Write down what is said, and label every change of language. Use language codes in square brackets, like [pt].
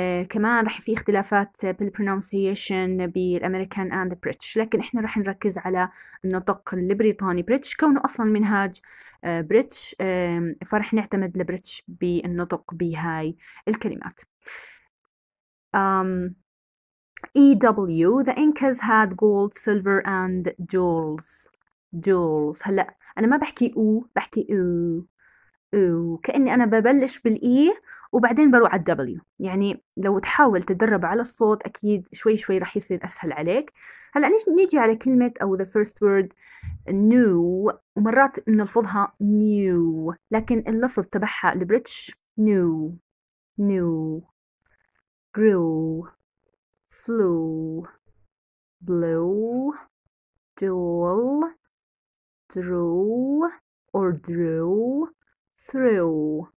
[ar] كمان رح في اختلافات بالpronunciation بالامريكان [en] and the British. [ar] لكن احنا رح نركز على النطق البريطاني British كونه أصلا منهاج British. فرح نعتمد البريتش بالنطق بهاي الكلمات. [en] EW, the Incas had gold, silver, and jewels. Jewels. [ar] هلا أنا ما بحكي أو بحكي أو أو كأني أنا ببلش بالإي وبعدين بروح على الدبليو. يعني لو تحاول تدرب على الصوت أكيد شوي شوي رح يصير أسهل عليك. هلا نيجي على كلمة أو [en] the first word new [ar] ومرات بنلفظها new لكن اللفظ تبعها البريتش [en] new new grew flew, blew, duel, drew, or drew, threw.